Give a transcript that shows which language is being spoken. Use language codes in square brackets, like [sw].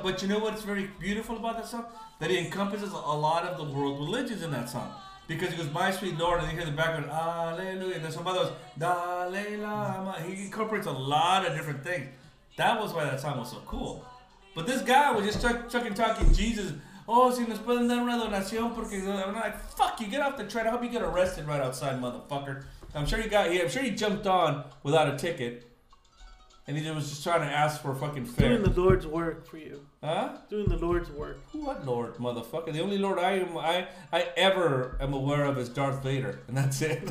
[en] But you know what's very beautiful about that song? That it encompasses a lot of the world religions in that song. Because he goes, my sweet Lord, and you hear the background, Alleluia. And then somebody goes, Dalai Lama. He incorporates a lot of different things. That was why that song was so cool. But this guy was just chucking, talking Jesus. [es] Oh, si nos pueden dar una donación porque... [en] I'm like, fuck you, get off the train. I hope you get arrested right outside, motherfucker. I'm sure he jumped on without a ticket. And he was just trying to ask for a fucking fare. Doing the Lord's work for you. Huh? Doing the Lord's work. What Lord, motherfucker? The only Lord I ever am aware of is Darth Vader. And that's it.